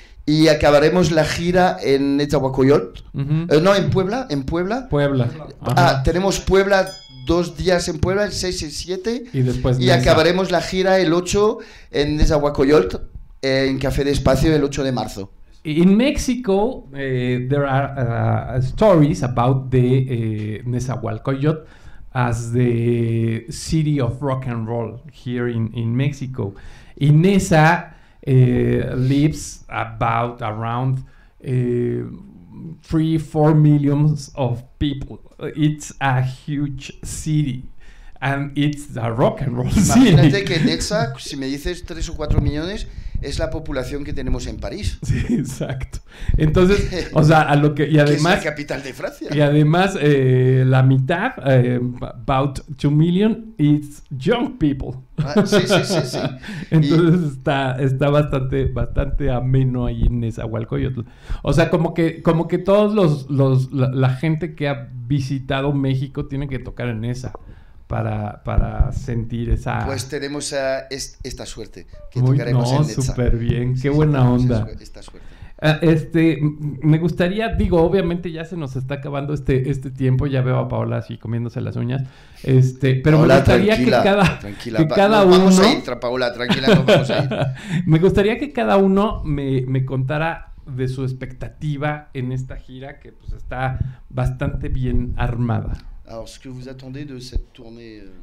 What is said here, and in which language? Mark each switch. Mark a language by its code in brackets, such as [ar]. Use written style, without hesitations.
[es] Y acabaremos la gira en Etzahuacoyot, uh-huh. No, en Puebla. Puebla. Ajá. Ah, tenemos Puebla... 2 días en Puebla, el 6 y el 7. Y después. Y acabaremos la gira el 8 en Nezahualcóyotl, en Café de Espacio, el 8 de marzo. [en] In Mexico, there are stories about the Nezahualcóyotl as the city of rock and roll here in Mexico. Inesa lives about around 3-4 million of people. It's a huge city and it's a rock and roll city. [es] Imagínate que Nexa, si me dices 3 o 4 millones, es la población que tenemos en París. Sí, exacto. Entonces, o sea, a lo que. Y además, que es la capital de Francia. Y además, la mitad, [en] about 2 million, it's young people. [es] Ah, sí. Entonces, está bastante ameno ahí en Nezahualcóyotl. O sea, como que todos la gente que ha visitado México tiene que tocar en esa. Para sentir esa... Pues tenemos esta suerte, que uy, tocaremos no, en Netza. Súper bien, qué sí, buena onda. Esta suerte. Me gustaría, digo, obviamente ya se nos está acabando este tiempo, ya veo a Paola así comiéndose las uñas, pero Paola, me gustaría tranquila, uno... Vamos a ir, Paola, tranquila, nos vamos a ir. Me gustaría que cada uno me contara de su expectativa en esta gira, que pues está bastante bien armada. [fr] Alors, ce que vous attendez de cette tournée